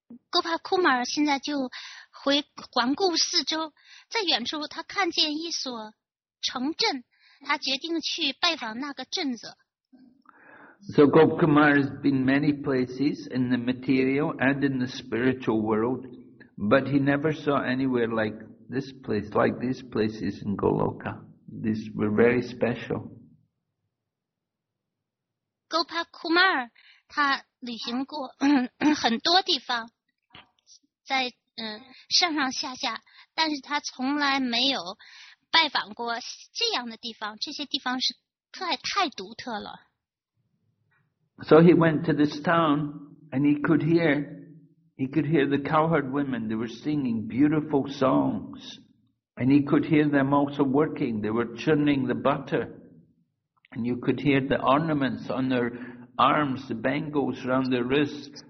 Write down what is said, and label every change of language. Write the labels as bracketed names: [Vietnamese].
[Chinese] Gopakumar 现在就回环顾四周，在远处他看见一所城镇，他决定去拜访那个镇子。 [English] So Gopakumar has been many places in the material and in the spiritual world, but he never saw anywhere like this place, like these places in Goloka. These were very special. [Chinese] Gopakumar, 他旅行过很多地方，在上上下下，但是他从来没有拜访过这样的地方，这些地方是太独特了。 [English] So he went to this town, and he could hear the cowherd women. They were singing beautiful songs, and he could hear them also working. They were churning the butter, and you could hear the ornaments on their arms, the bangles around their wrists.